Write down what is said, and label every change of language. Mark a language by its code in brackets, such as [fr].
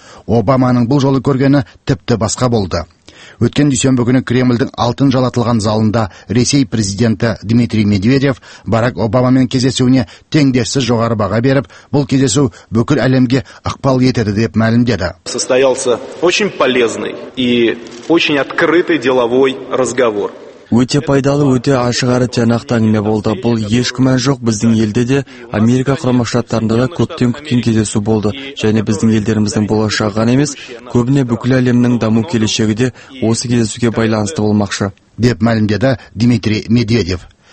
[kk] Обаманың бұл жолы көргені тіпті басқа болды. Өткен дүйсенбі күні Кремльдің алтын жалатылған залында Ресей президенті Дмитрий Медведев Барак Обамамен кездесуіне теңдессіз жоғары баға беріп, бұл кездесу бүкіл әлемге ықпал етеді деп мәлімдеді. [ru] Состоялся очень полезный и очень открытый деловой разговор. [kk] Өте пайдалы, өте ашық әрі тиянақты әңгіме болды. Бұл еш күмән жоқ біздің елде де, Америка Құрама Штаттарында да көптен күткен кездесу болды. Және біздің елдеріміздің болашағы ғана емес, көбіне бүкіл әлемнің даму келешегі де осы кездесуге байланысты болмақшы. Деп мәлімдеді Дмитрий Медведев.